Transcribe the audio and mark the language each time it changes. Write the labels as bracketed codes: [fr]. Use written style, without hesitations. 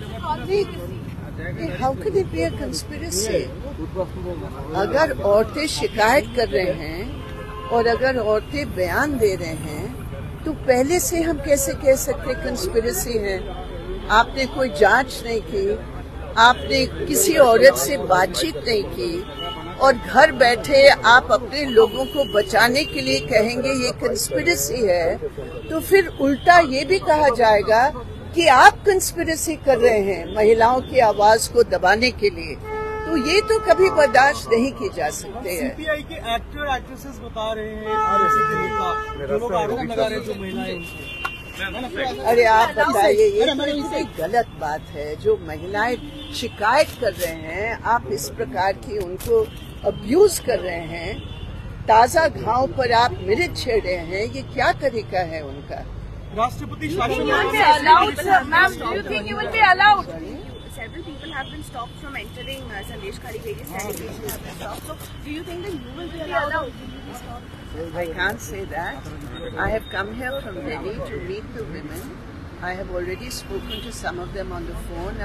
[en] How could it be a conspiracy? [hi] अगर औरतें शिकायत कर रहे हैं और अगर औरतें बयान दे रहे हैं तो पहले से हम कैसे कह सकते कंस्पिरेसी है? आपने कोई जांच नहीं की, आपने किसी औरत से बातचीत नहीं की और घर बैठे आप अपने लोगों को बचाने के लिए कहेंगे ये कंस्पिरेसी है, तो फिर उल्टा ये भी कहा जाएगा कि आप कंस्पिरेसी कर रहे हैं महिलाओं की आवाज को दबाने के लिए, तो ये तो कभी बर्दाश्त नहीं की जा सकते हैं। सीपीआई के एक्टर एक्ट्रेसेस बता रहे हैं और उसके अरे आप बताइए, ये बड़ी गलत बात है। जो महिलाएं शिकायत कर रहे हैं आप इस प्रकार की उनको अब्यूज कर रहे हैं, ताजा घाव पर आप मिर्च छेड़ रहे हैं, ये क्या तरीका है उनका? राष्ट्रपति [en] Several people have been stopped from entering Sandeshkhali, various sanitations have been stopped. So, do you think that you will be allowed? I can't say that. I have come here from Delhi to meet the women. I have already spoken to some of them on the phone.